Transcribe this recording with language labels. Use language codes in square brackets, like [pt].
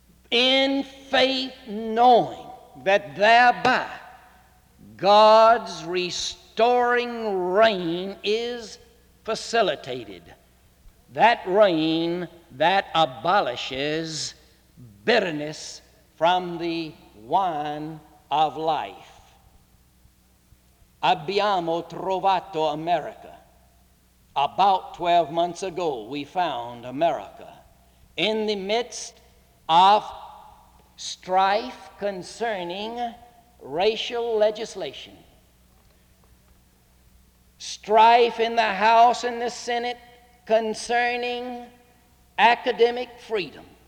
[en] In faith, knowing that thereby God's restoring reign is facilitated. That reign that abolishes bitterness from the wine of life. [it] Abbiamo trovato America. [en] About 12 months ago, we found America in the midst of strife concerning racial legislation. Strife in the House and the Senate concerning academic freedom.